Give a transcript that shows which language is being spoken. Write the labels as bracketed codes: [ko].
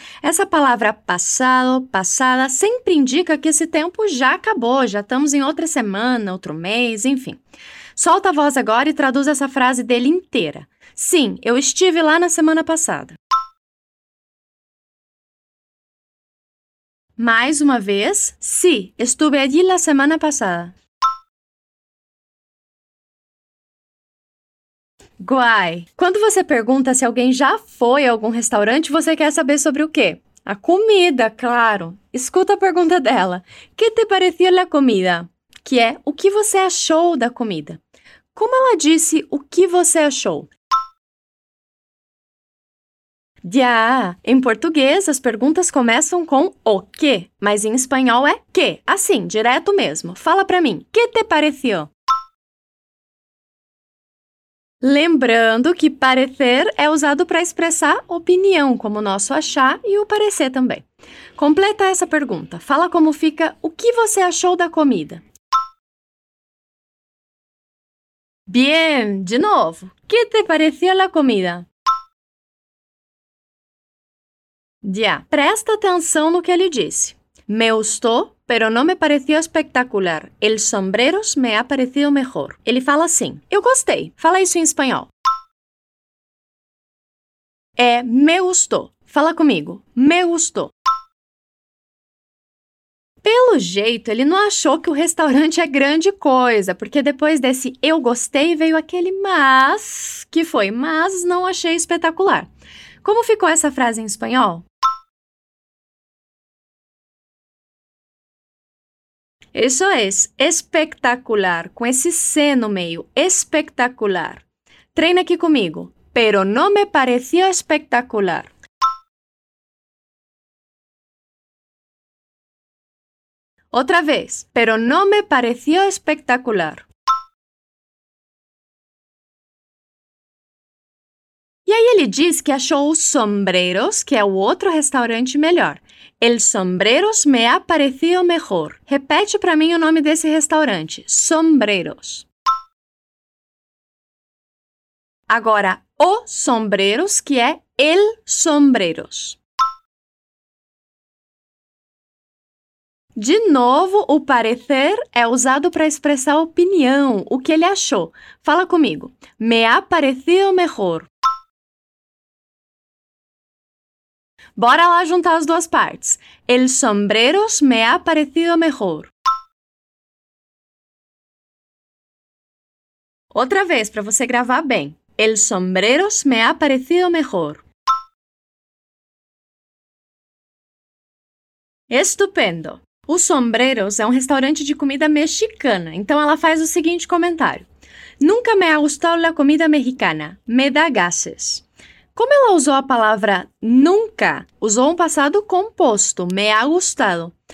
[pt] Essa palavra passado, passada, sempre indica que esse tempo já acabou, já estamos em outra semana, outro mês, enfim. Solta a voz agora e traduz essa frase dele inteira. Sim, eu estive lá na semana passada. Mais uma vez. [es] Sí, estuve allí la semana pasada. Guay! [pt] Quando você pergunta se alguém já foi a algum restaurante, você quer saber sobre o quê? A comida, claro. Escuta a pergunta dela. [es] ¿Qué te pareció la comida? [pt] Que é, o que você achou da comida? Como ela disse, o que você achou? [es] Ya! [pt] Em português, as perguntas começam com o que, mas em espanhol é que. Assim, direto mesmo. Fala pra mim, [es] que te pareció? [pt] Lembrando que parecer é usado para expressar opinião, como o nosso achar e o parecer também. Completa essa pergunta. Fala como fica o que você achou da comida. [es] Bien! [pt] De novo, [es] que te pareció la comida? [en] Yeah. [pt] Presta atenção no que ele disse. [es] Me gustó, pero no me pareció espectacular. El sombrero me ha parecido mejor. [pt] Ele fala assim. Eu gostei. Fala isso em espanhol. É [es] me gustó. [pt] Fala comigo. [es] Me gustó. [pt] Pelo jeito, ele não achou que o restaurante é grande coisa, porque depois desse eu gostei veio aquele mas, que foi mas não achei espetacular. Como ficou essa frase em espanhol? Isso é espectacular, com esse C no meio, espectacular. Treina aqui comigo. [es] Pero no me pareció espectacular. [pt] Outra vez. [es] Pero no me pareció espectacular. [pt] E aí ele diz que achou os sombreros, que é o outro restaurante melhor. [es] El Sombreros me ha parecido mejor. [pt] Repete [es] para mí el nombre de ese restaurante. Sombreros. [pt] Agora, o Sombreros, que é El Sombreros. De novo, o parecer é usado para expressar opinião, o que ele achou. Fala comigo. [es] Me ha parecido mejor. [pt] Bora lá juntar as duas partes. [es] El Sombreros me ha parecido mejor. [pt] Outra vez, para você gravar bem. [es] El Sombreros me ha parecido mejor. Estupendo! [pt] O Sombreros é um restaurante de comida mexicana, então ela faz o seguinte comentário. [es] Nunca me ha gustado la comida mexicana. Me da gases. [pt] Como ela usou a palavra nunca, usou um passado composto, [es] me ha gustado.